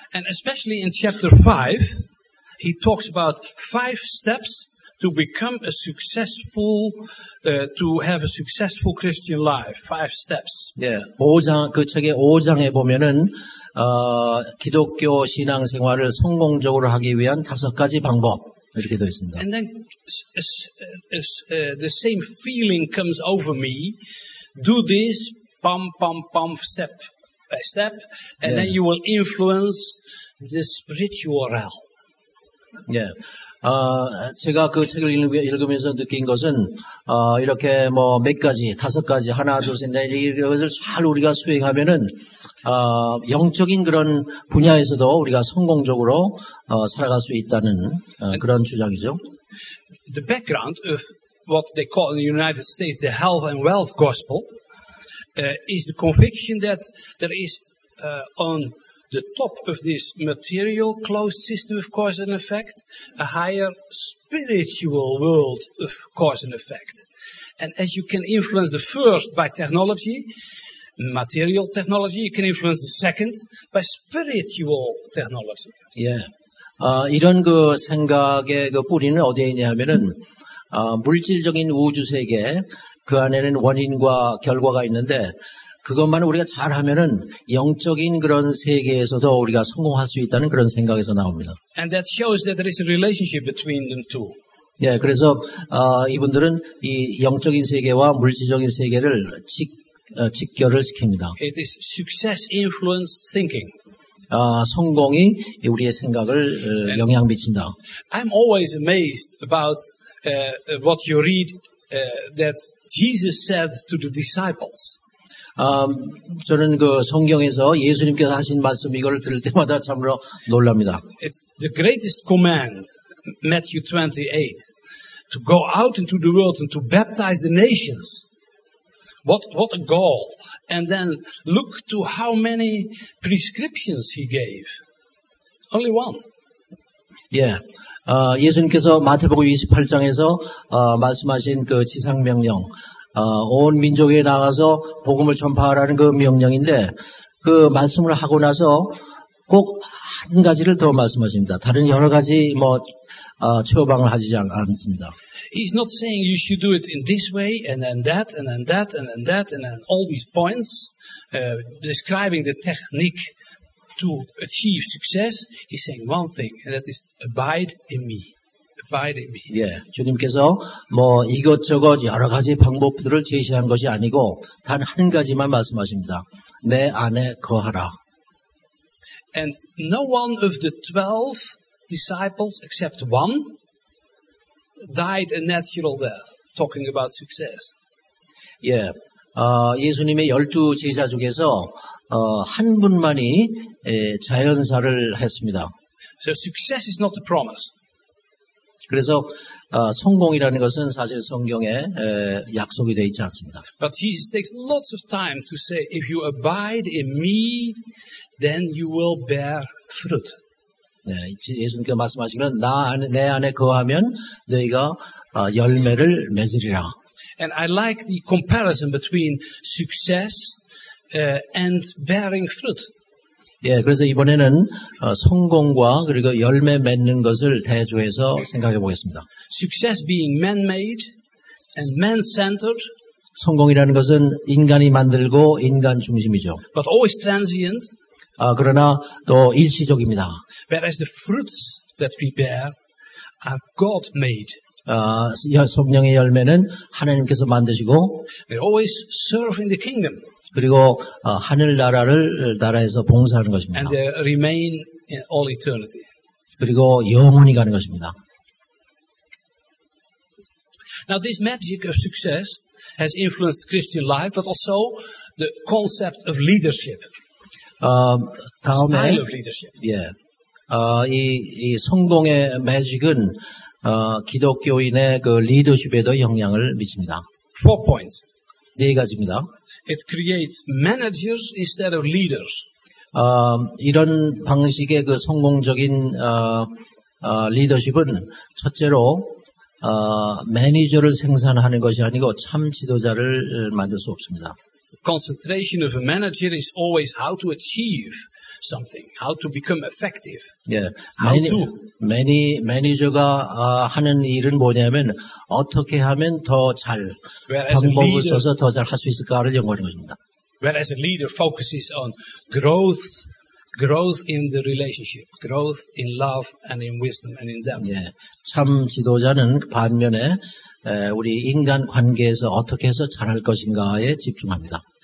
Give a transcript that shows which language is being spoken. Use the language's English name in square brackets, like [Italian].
[English] And especially in chapter 5, he talks about five steps to become a successful, to have a successful Christian life. Five steps. [Korean] 예, 5장, 그 책의 5장에 보면은, 기독교 신앙 생활을 성공적으로 하기 위한 다섯 가지 방법. 이렇게 되어 있습니다. [English] And then, the same feeling comes over me. Do this, pump, pump, pump, step by step, and [Korean] 예. [English] then you will influence the spiritual realm. 예. [Korean] 제가 그 책을 읽으면서 느낀 것은, 이렇게 뭐 몇 가지, 다섯 가지, 하나, 둘, 셋, 넷, 이것을 잘 우리가 수행하면은, 영적인 그런 분야에서도 우리가 성공적으로, 살아갈 수 있다는, 그런 주장이죠. [English] The background of what they call in the United States the health and wealth gospel, is the conviction that there is, on the top of this material closed system of cause and effect, a higher spiritual world of cause and effect. And as you can influence the first by technology, material technology, you can influence the second by spiritual technology. Yeah. [Korean] 이런 그 생각의 그 뿌리는 어디에 있냐면은 물질적인 우주 세계 그 안에는 원인과 결과가 있는데. 그것만 우리가 잘하면은 영적인 그런 세계에서도 우리가 성공할 수 있다는 그런 생각에서 나옵니다. [English] And that shows that there is a relationship between them two. [Korean] 예, 그래서 이분들은 이 영적인 세계와 물질적인 세계를 직결을 시킵니다. [English] It is success influenced thinking. [Korean] 성공이 우리의 생각을 영향 미친다. [English] I'm always amazed about what you read that Jesus said to the disciples. [Korean] 저는 그 성경에서 예수님께서 하신 말씀 이걸 들을 때마다 참으로 놀랍니다. [English] It's the greatest command, Matthew 28, to go out into the world and to baptize the nations. What a goal! And then look to how many prescriptions he gave. Only one. Yeah. [Korean] 예수님께서 마태복음 28장에서 말씀하신 그 지상 명령. 온 민족에 나가서 복음을 전파하라는 그 명령인데 그 말씀을 하고 나서 꼭 한 가지를 더 말씀하십니다. 다른 여러 가지 뭐 처방을 하지 않습니다. [English] He's not saying you should do it in this way and then that and then that and then that and then all these points describing the technique to achieve success. He's saying one thing and that is abide in me. [Korean] 예, 주님께서 뭐 이것저것 여러 가지 방법들을 제시한 것이 아니고 단 한 가지만 말씀하십니다. 내 안에 거하라. [English] And no one of the 12 disciples except one died a natural death. Talking about success. [Korean] 예, 예수님의 열두 제자 중에서 한 분만이 자연사를 했습니다. [English] So success is not a promise. [Korean] 그래서 성공이라는 것은 사실 성경에 약속이 되어 있지 않습니다. [English] But Jesus takes lots of time to say, if you abide in me, then you will bear fruit. [Korean] 네, 예수님께서 말씀하신 건 내 안에 거하면 너희가 열매를 맺으리라. [English] And I like the comparison between success and bearing fruit. [Korean] 예, 그래서 이번에는 성공과 그리고 열매 맺는 것을 대조해서 생각해 보겠습니다. [English] Success being man-made and man-centered. [Korean] 성공이라는 것은 인간이 만들고 인간 중심이죠. [English] But always transient. [Korean] 그러나 또 일시적입니다. [English] Whereas the fruits that we bear are God-made. [Korean] 성령의 열매는 하나님께서 만드시고. [English] They always serve in the kingdom. [Korean] 그리고 하늘나라를 나라에서 봉사하는 것입니다. [English] And they remain in all eternity. [Korean] 그리고 영원히 가는 것입니다. [English] Now this magic of success has influenced Christian life, but also the concept of leadership. Style of leadership. 예. [Korean] 이 성공의 매직은 기독교인의 그 리더십에도 영향을 미칩니다. [English] Four points. [Korean] 네 가지입니다. [English] It creates managers instead of leaders. [Korean] 이런 방식의 그 성공적인 리더십은 첫째로 매니저를 생산하는 것이 아니고 참 지도자를 만들 수 없습니다. [English] Concentration of a manager is always how to achieve something, how to become effective. Yeah. How to? [Korean] 매니저가 하는 일은 뭐냐면 어떻게 하면 더 잘 방법을 써서 더 잘 할 수 있을까를 연구하는 것입니다. [English] Whereas a leader focuses on growth, growth in the relationship, growth in love and in wisdom and in depth. [Korean] 예, 참 지도자는 반면에 우리 인간 관계에서 어떻게 해서 잘할 것인가에 집중합니다.